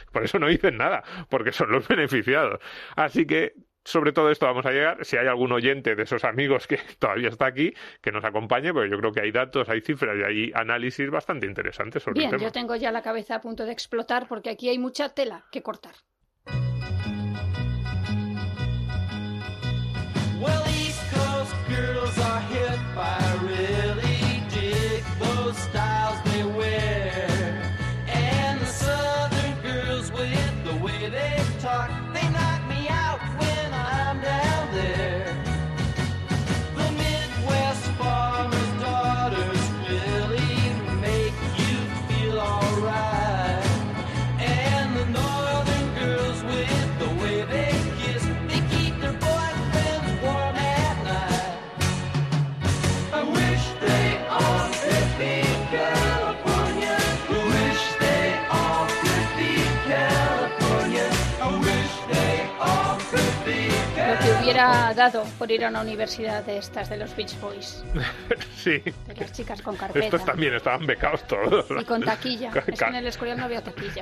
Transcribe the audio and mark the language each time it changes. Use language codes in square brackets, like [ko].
[es] Por eso no dicen nada, porque son los beneficiados. Así que sobre todo esto vamos a llegar. Si hay algún oyente de esos amigos que todavía está aquí, que nos acompañe, porque yo creo que hay datos, hay cifras y hay análisis bastante interesantes sobre bien, el tema. Bien, yo tengo ya la cabeza a punto de explotar porque aquí hay mucha tela que cortar. [en] Well, East Coast girls are hit by really dig those styles they wear. And the southern girls with the way they talk, they knock me out when I'm down there. The Midwest farmer's daughters really make you feel all right. And the northern girls with the way they kiss, they keep their boyfriends warm at night. I wish they all could be California. I wish they all could be California. I wish they all could be California. [es] Hubiera dado por ir a una universidad de estas, de los Beach Boys. Sí. De las chicas con carpeta. Estos también estaban becados todos. Y con taquilla. Es que en el Escorial no había taquilla.